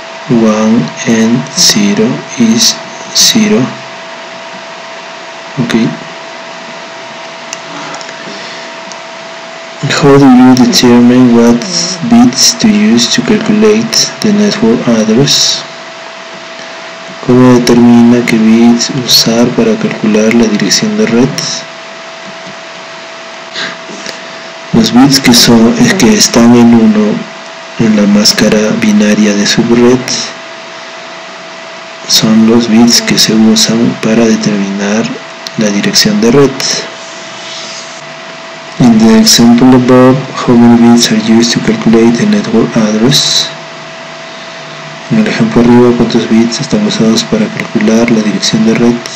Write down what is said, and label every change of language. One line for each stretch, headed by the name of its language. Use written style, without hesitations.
English: 1 and 0 is 0. Okay. How do you determine what bits to use to calculate the network address?
Spanish: ¿Cómo determina qué bits usar para calcular la dirección de red? Los bits que son, es que están en 1 en la máscara binaria de subred, son los bits que se usan para determinar la dirección de red.
English: In the example above, how many bits are used to calculate the network address?
Spanish: En el ejemplo arriba, ¿cuántos bits están usados para calcular la dirección de red?